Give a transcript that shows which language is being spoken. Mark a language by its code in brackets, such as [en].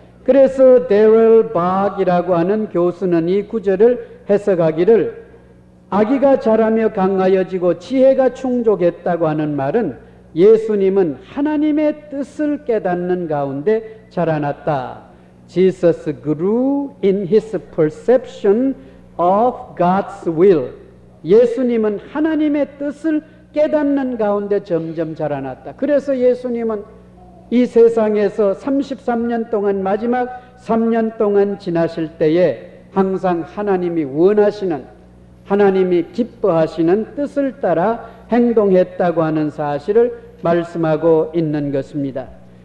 [ko] 그래서 데럴 박이라고 하는 교수는 이 구절을 해석하기를 아기가 자라며 강하여지고 지혜가 충족했다고 하는 말은 예수님은 하나님의 뜻을 깨닫는 가운데 자라났다. [en] Jesus grew in his perception of God's will. [ko] 예수님은 하나님의 뜻을 깨닫는 가운데 점점 자라났다. 그래서 예수님은 이 세상에서 33년 동안 마지막 3년 동안 지나실 때에 항상 하나님이 원하시는 하나님이 기뻐하시는 뜻을 따라 행동했다고 하는 사실을 말씀하고 있는 것입니다.